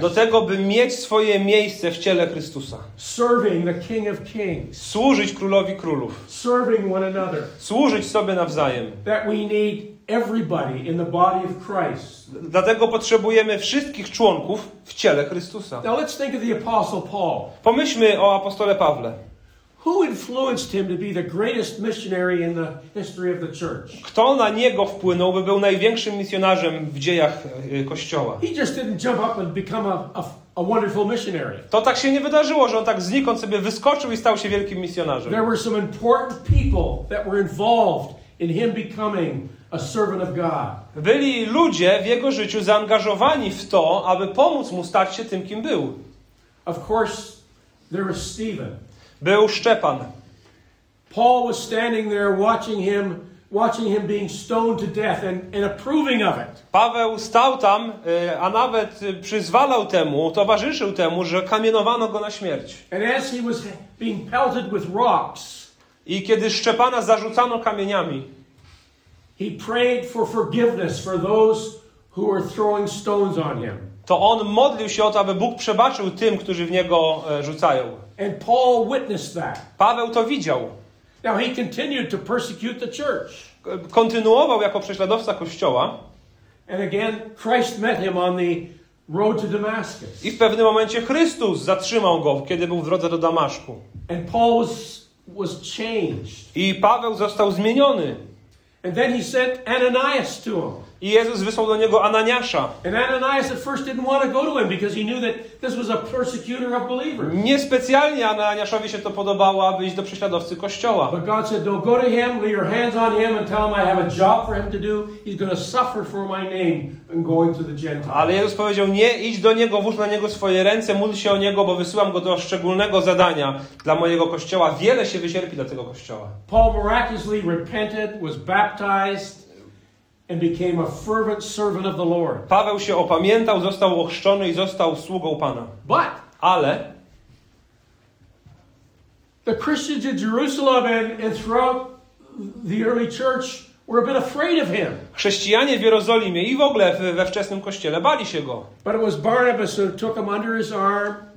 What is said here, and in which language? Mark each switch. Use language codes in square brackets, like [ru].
[pl] Do tego, by mieć swoje miejsce w ciele Chrystusa. [en] Serving the King of Kings. [pl] Służyć Królowi Królów. [en] Serving one another. [pl] Służyć sobie nawzajem. [en] That we need everybody in the body of Christ. [pl] Dlatego potrzebujemy wszystkich członków w ciele Chrystusa. [en] Now let's think of the Apostle Paul. [pl] Pomyślmy o apostole Pawle. [en] Who influenced him to be the greatest missionary in the history of the church? [pl] Kto na niego wpłynął, by był największym misjonarzem w dziejach kościoła? [en] He just didn't jump up and become a wonderful missionary. [pl] To tak się nie wydarzyło, że on tak znikąd sobie wyskoczył i stał się wielkim misjonarzem. [en] There were some important people that were involved in him becoming a servant of God. [pl] Byli ludzie w jego życiu zaangażowani w to, aby pomóc mu stać się tym, kim był. [en] Of course, there was Stephen. [pl] Był Szczepan. [en] Paul was standing there watching him being stoned to death and approving of it. [pl] Paweł stał tam, a nawet przyzwalał temu, towarzyszył temu, że kamienowano go na śmierć. [en] And as he was being pelted with rocks, [pl] i kiedy Szczepana zarzucano kamieniami, [en] he prayed for forgiveness for those who were throwing stones on him. [pl] To on modlił się o to, aby Bóg przebaczył tym, którzy w niego rzucają. [en] And Paul witnessed that. [pl] Paweł to widział. [en] Now he continued to persecute the church. [pl] Kontynuował jako prześladowca kościoła. [en] And again, Christ met him on the road to Damascus. [pl] I w pewnym momencie Chrystus zatrzymał go, kiedy był w drodze do Damaszku. [en] And Paul was changed. [pl] I Paweł został zmieniony. [en] And then he sent Ananias to him. [pl] I Jezus wysłał do niego Ananiasza. [en] And Ananias at first didn't want to go to him because he knew that this was a persecutor of believers. [pl] Niespecjalnie Ananiaszowi się to podobało, aby iść do prześladowcy kościoła. [en] But God said, "No, go to him, lay your hands on him and tell him I have a job for him to do. He's going to suffer for my name and going to the Gentiles." [pl] Ale Jezus powiedział: "Nie, idź do niego, włóż na niego swoje ręce, módl się o niego, bo wysyłam go do szczególnego zadania dla mojego kościoła. Wiele się wycierpi dla tego kościoła." [en] Paul miraculously repented, was baptized, and became a fervent servant of the Lord. [pl] Paweł się opamiętał, został ochrzczony i został sługą Pana. [en] But, [pl] ale [en] the Christians in Jerusalem and throughout the early church were a bit afraid of him. [pl] Chrześcijanie w Jerozolimie i w ogóle we wczesnym kościele bali się go. [en] But it was Barnabas who took him under his arm.